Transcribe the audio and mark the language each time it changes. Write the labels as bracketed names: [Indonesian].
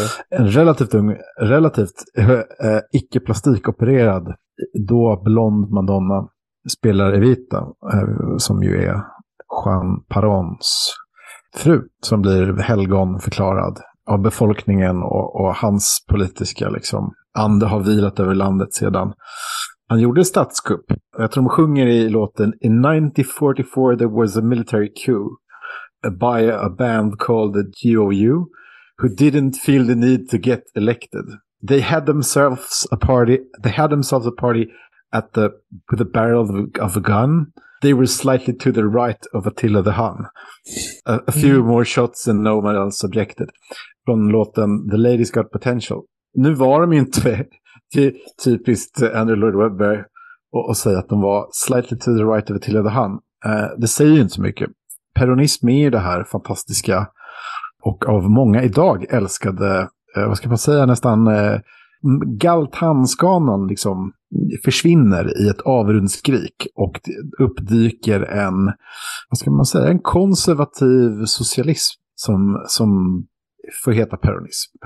[Swedish] En relativt ung, relativt icke-plastikopererad då blond Madonna spelar Evita, som ju är Jean Parons fru, som blir helgon förklarad av befolkningen, och hans politiska liksom ande har vilat över landet sedan han gjorde statskupp. Jag tror de sjunger i låten: [English] "In 1944 there was a military coup by a band called the GOU who didn't feel the need to get elected. They had themselves a party. They had themselves a party at the with a barrel of a gun. They were slightly to the right of Attila the Hun. A few more shots and no one else objected." [Swedish] Från låten "The Ladies Got Potential". Nu var de ju inte typiskt Andrew Lloyd Webber och säga att de var [English] slightly to the right of Attila the Hun. [Swedish] Det säger ju inte så mycket. Peronism är ju det här fantastiska och av många idag älskade, vad ska man säga, nästan galtanskanan liksom försvinner i ett avrundskrik och uppdyker en, vad ska man säga, en konservativ socialism som får heta peronism.